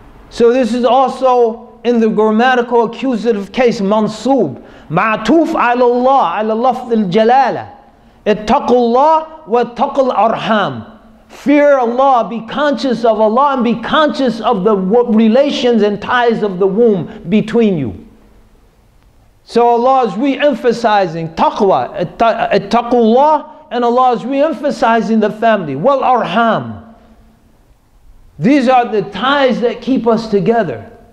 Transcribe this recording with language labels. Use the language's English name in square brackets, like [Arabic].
[English] So this is also in the grammatical accusative case, mansub. [Arabic] معطوف على الله على لفظ الجلالة اتقوا الله واتقوا الأرحام. [English] fear Allah, be conscious of Allah, and be conscious of the relations and ties of the womb between you. So Allah is re-emphasizing taqwa, taqullah, and Allah is re-emphasizing the family. Wal arham. These are the ties that keep us together.